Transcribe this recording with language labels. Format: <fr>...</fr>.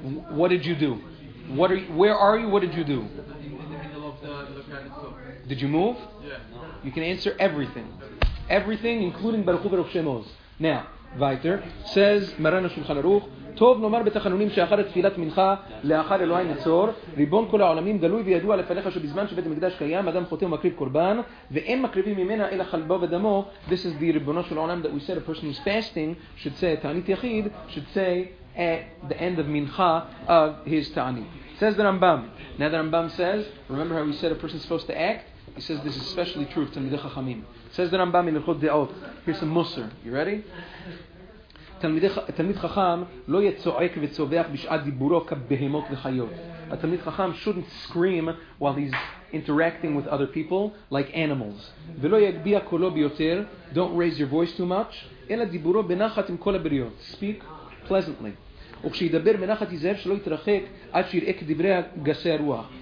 <en>What did you do? Where are you? What did you do? In the middle of the location. Did you move? Yeah. You can answer everything. Everything, including Baruch Hu Baruch Shemoz. Now, Vayter says,</en> <he>Maran HaShulchan Aruch, טוב נאמר בתחנונים שאחר תפילת מנחה לאחר אלוהי נצור ריבון כל העולמים גלוי וידוע לפניך שבזמן שבית המקדש קיים אדם חותם ומקריב קורבן ואין מקריבים ממנה אלא חלבו ודמו.</he> <en>This is the ריבונו של העולם that we said a person who's fasting should say תענית יחיד, should say at the end of מנחה of his תענית. Says the Rambam. Now the Rambam says, remember how we said a person is supposed to act? He says this is especially true of תלמידי חכמים. Says the Rambam in הלכות דעות. Here's some מוסר. You ready?</en> <he>תלמיד חכם לא יצועק וצובח בשעת דיבורו כבהמות וחיות.</he> <en>A תלמיד חכם shouldn't scream while he's interacting with other people like animals.</en> <he>ולא יגביע קולו ביותר,</he> <en>don't raise your voice too much,</en> <he>אלא דיבורו בנחת עם כל הבריות.</he> <en>Speak pleasantly.</en> <he>וכשידבר בנחת יזהר שלא יתרחק עד שיראה כדברי גסי הרוח.</he>